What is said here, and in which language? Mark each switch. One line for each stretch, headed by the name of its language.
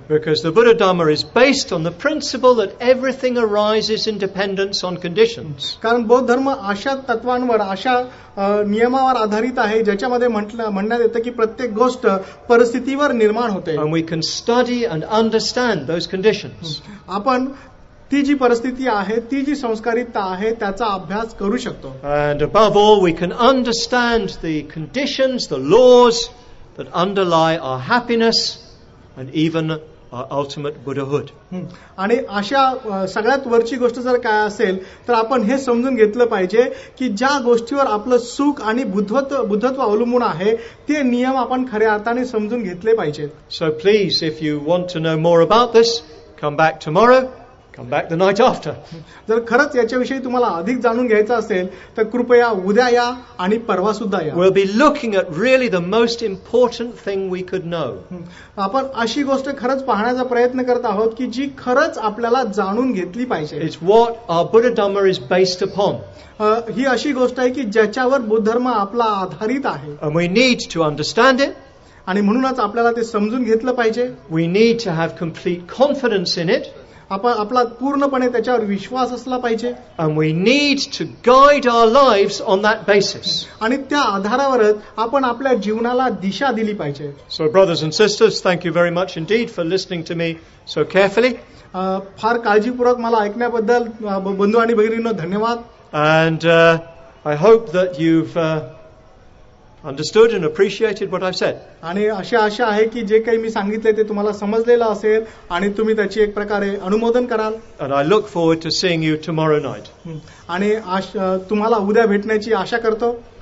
English: Because the Buddha Dhamma is based on the principle that everything arises in dependence on conditions.
Marathi: कारण बौद्ध धर्म अशा तत्वांवर, अशा नियमावर आधारित आहे ज्याच्यामध्ये म्हणण्यात येतं की प्रत्येक गोष्ट परिस्थितीवर निर्माण होते.
English: And we can study and understand those conditions.
Marathi: आपण ती जी परिस्थिती आहे, ती जी संस्कारितता आहे त्याचा अभ्यास करू शकतो.
English: And above all, we can understand the conditions, the laws that underlie our happiness and even our ultimate Buddhahood.
Marathi: आणि अशा सगळ्यात वरची गोष्ट जर काय असेल तर आपण हे समजून घेतलं पाहिजे की ज्या गोष्टीवर आपलं सुख आणि बुद्धत्व अवलंबून आहे ते नियम आपण खऱ्या अर्थाने समजून घेतले पाहिजेत.
English: So please, if you want to know more about this, come back tomorrow. Come back the night after.
Marathi: जर खरंच याच्याविषयी तुम्हाला अधिक जाणून घ्यायचं असेल तर कृपया उद्या या आणि परवा सुद्धा या.
English: We'll be looking at really the most important thing we could know.
Marathi: आपण अशी गोष्ट खरंच पाहण्याचा प्रयत्न करत आहोत की जी खरंच आपल्याला जाणून घेतली पाहिजे.
English: It's what our Buddha Dhamma is based upon.
Marathi: ही अशी गोष्ट आहे की ज्याच्यावर बुद्ध धर्म आपला आधारित आहे.
English: We need to understand it.
Marathi: आणि म्हणूनच आपल्याला ते समजून घेतलं पाहिजे.
English: We need to have complete confidence in it.
Marathi: आपण आपला पूर्णपणे त्याच्यावर विश्वास असला पाहिजे.
English: And we need to guide our lives on that basis.
Marathi: आणि त्या आधारावरच आपण आपल्या जीवनाला दिशा दिली पाहिजे.
English: So brothers and sisters, thank you very much indeed for listening to me so carefully.
Marathi: फार काळजीपूर्वक मला ऐकण्याबद्दल बंधू आणि भगिनींनो धन्यवाद.
English: And I hope that you've understood and appreciated what I've said.
Marathi: आणि अशी आशा आहे की जे काही मी सांगितलं ते तुम्हाला समजलेलं असेल आणि तुम्ही त्याची एक प्रकारे अनुमोदन कराल.
English: And I look forward to seeing you tomorrow night.
Marathi: आणि तुम्हाला उद्या भेटण्याची आशा करतो.